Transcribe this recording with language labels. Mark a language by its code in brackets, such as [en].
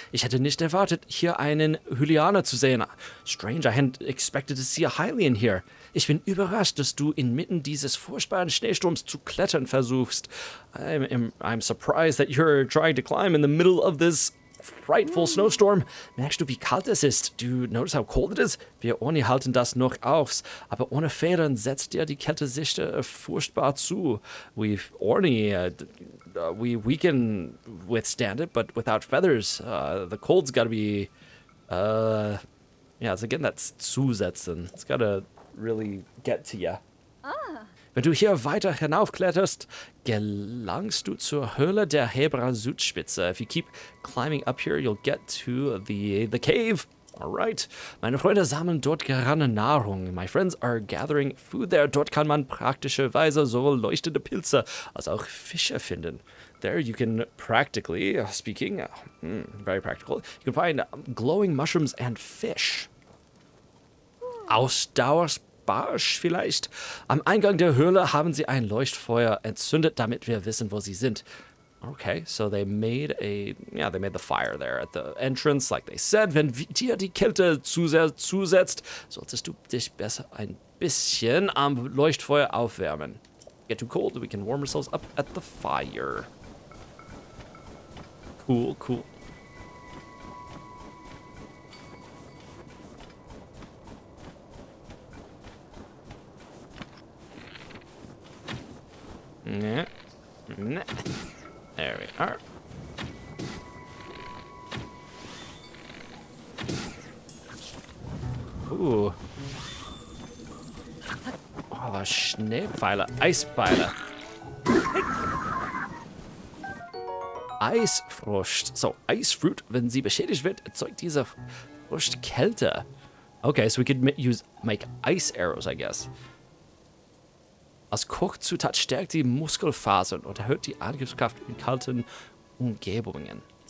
[de] Ich hätte nicht erwartet, hier einen Hylianer zu sehen. [en] Strange, I hadn't expected to see a Hylian here. [de] Ich bin überrascht, dass du inmitten dieses furchtbaren Schneesturms zu klettern versuchst. [en] I'm surprised that you're trying to climb in the middle of this frightful snowstorm. [de] Merkst du, wie kalt es ist? [en] Do you notice how cold it is? [de] Wir ohne halten das noch aus, aber ohne Federn setzt dir die Kälte sich furchtbar zu. [en] We can withstand it, but without feathers, the cold's gotta be, yeah, so again, that's zusetzen. It's gotta really get to you. [de] Wenn du hier weiter hinaufkletterst, gelangst du zur Höhle der Hebra Südspitze. If you keep climbing up here, you'll get to the cave. [en] All right. [de] Meine Freunde sammeln dort gerade Nahrung. [en] My friends are gathering food there. [de] Dort kann man praktischerweise sowohl leuchtende Pilze als auch Fische finden. [en] There you can practically, speaking, very practical, you can find glowing mushrooms and fish. [de] Ausdauers Barsch vielleicht? Am Eingang der Höhle haben sie ein Leuchtfeuer entzündet, damit wir wissen, wo sie sind. [en] Okay, so they made the fire there at the entrance, like they said. [de] Wenn dir die Kälte zu sehr zusetzt, solltest du dich besser ein bisschen am Leuchtfeuer aufwärmen. [en] Get too cold, we can warm ourselves up at the fire. Cool, cool. Nah. Nah. There we are. Ooh. [de] Oh, Schneepfeile. Eispfeile. Eisfrucht. So, Eisfrucht, wenn sie beschädigt wird, erzeugt diese Frucht Kälte. [en] Okay, so we could make ice arrows, I guess. [de] Als Kochzutat stärkt die Muskelfasern und erhöht die Angriffskraft in kalten Umgebungen.